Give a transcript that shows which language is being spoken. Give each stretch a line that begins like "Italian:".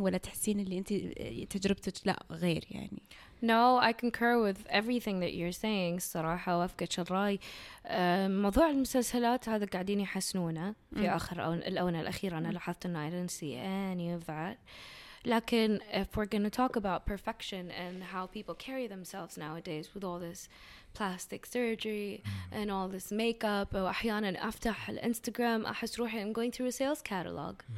Arabic: ولا تحسين اللي انت تجربتك لا غير يعني.
English: No, I concur with everything that you're saying.
Arabic: صراحة وافقك الرأي. موضوع المسلسلات هذا قاعدين يحسنونه في آخر الآونة الأخيرة. أنا لاحظت إنه
English: I didn't see any of that. Lakin, if we're going to talk about perfection and how people carry themselves nowadays with all this plastic surgery and all this makeup,
Arabic: أحيانا أفتح الانستغرام أحس روحي
English: I'm going through a sales catalog.